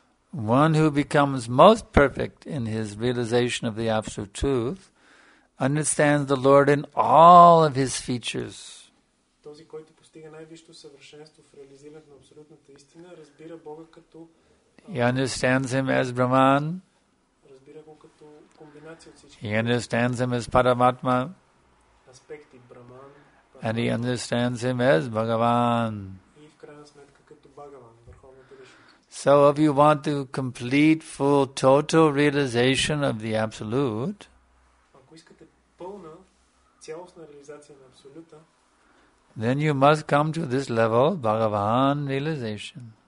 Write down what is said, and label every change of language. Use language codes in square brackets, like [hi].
[en] One who becomes most perfect in his realization of the Absolute Truth understands the Lord in all of his features. [bg] Този, който постига най-висшето съвършенство в реализирането на абсолютната истина, разбира Бога като [en] He understands him as Brahman. [bg] Разбира го като комбинация от всички. [en] He understands him as Paramatma. [bg] Аспекти Браман. [en] And he understands him as Bhagavan. [bg] И в крайна сметка като Бхагаван, върховната личност. [en] So if you want the complete, full, total realization of the Absolute, [bg] ако искате пълна, цялостна реализация на Абсолюта, [en] then you must come to this level, Bhagavan realization.